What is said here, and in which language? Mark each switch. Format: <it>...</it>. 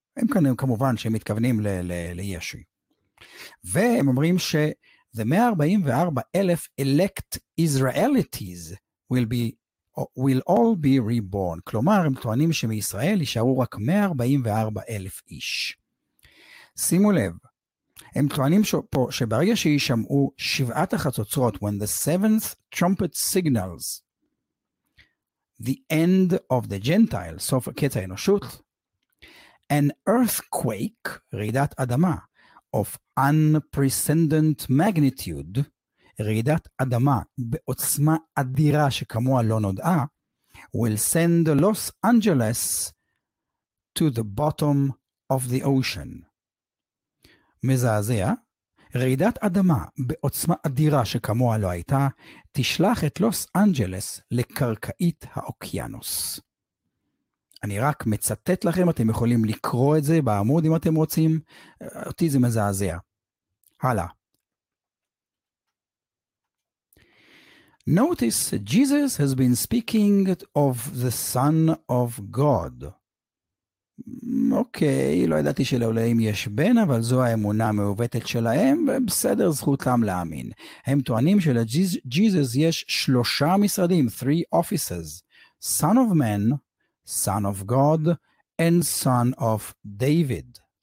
<he>הם כמובן שהם מתכוונים לישו. והם אומרים ש-</he> <en>the 144,000 elect Israelites will all be reborn.</en> <he>כלומר, הם טוענים שמישראל יישארו רק 144,000 איש. שימו לב, הם טוענים פה שברגע שישמעו שבעת החצוצרות,</he> <en>when the seventh trumpet signals the end of the Gentile,</en> <he>סוף קץ האנושות,</he> <en>an earthquake,</en> <he>רעידת אדמה,</he> <en>of unprecedented magnitude,</en> <he>רעידת אדמה בעוצמה אדירה שכמוה לא נודעה,</he> <en>will send Los Angeles to the bottom of the ocean.</en> <he>מזעזע, רעידת אדמה בעוצמה אדירה שכמוה לא הייתה, תשלח את לוס אנג'לס לקרקעית האוקיינוס. אני רק מצטט לכם, אתם יכולים לקרוא את זה בעמוד אם אתם רוצים, אותי זה מזעזע. הלאה.</he> <en>Notice Jesus has been speaking of the Son of God.</en> <he>אוקיי, לא ידעתי שלעולים יש בן, אבל זו האמונה המעוותת שלהם, ובסדר זכותם להאמין. הם טוענים שלג'יזוס יש שלושה משרדים,</he> <en>three offices,</en> <he>Son of Man, Son of God, and Son of David.</he>